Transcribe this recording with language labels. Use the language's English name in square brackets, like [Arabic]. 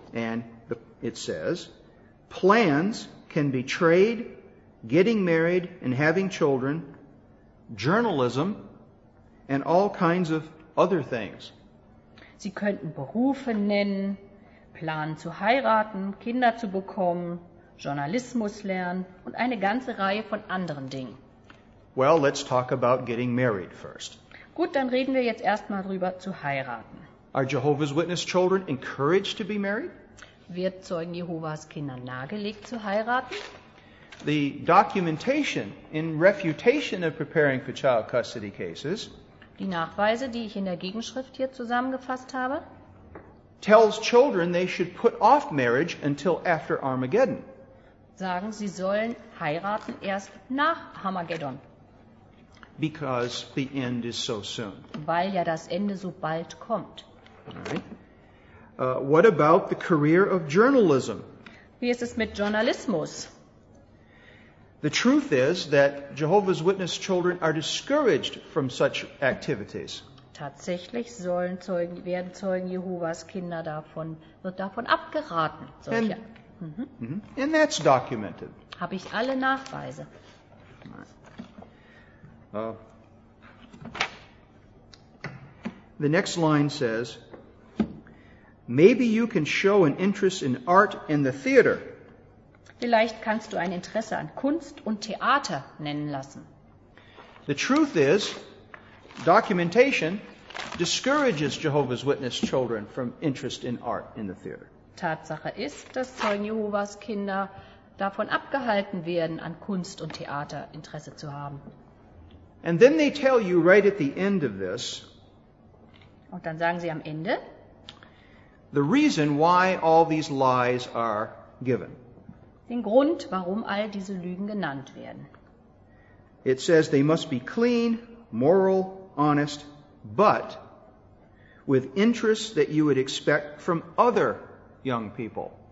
[English] And it says, plans can be trade, getting married and having children, journalism and all kinds of other things. [German] Sie könnten Berufe nennen, planen zu heiraten, Kinder zu bekommen, Journalismus lernen und eine ganze Reihe von anderen Dingen. [English] Well, let's talk about getting married first. [German] Gut, dann reden wir jetzt erstmal drüber zu heiraten. [English] Are Jehovah's Witness children encouraged to be married? [German] Wird Zeugen Jehovas Kindern nahegelegt zu heiraten? [English] The documentation in refutation of preparing for child custody cases. [German] Die Nachweise, die ich in der Gegenschrift hier zusammengefasst habe, [English] tells children they should put off marriage until after Armageddon. [German] Sagen, sie sollen heiraten erst nach Armageddon. [English] Because the end is so soon. [German] Weil ja das Ende so bald kommt. [English] What about the career of journalism? [German] Wie ist es mit Journalismus? [English] The truth is that Jehovah's Witness children are discouraged from such activities. [German] Tatsächlich werden Zeugen Jehovas Kinder davon abgeraten. [English] And that's documented. [German] Habe ich alle Nachweise. [English] The next line says, maybe you can show an interest in art and the theater. [German] Vielleicht kannst du ein Interesse an Kunst und Theater nennen lassen. [English] The truth is, documentation discourages Jehovah's Witness children from interest in art in the theater. [German] Tatsache ist, dass Zeugen Jehovas Kinder davon abgehalten werden, an Kunst und Theater Interesse zu haben. [English] And then they tell you right at the end of this, [German] und dann sagen sie am Ende, [English] the reason why all these lies are given. [German] Den Grund, warum all diese Lügen genannt werden. [English] It says they must be clean, moral, honest, but with interests that you would expect from other young people.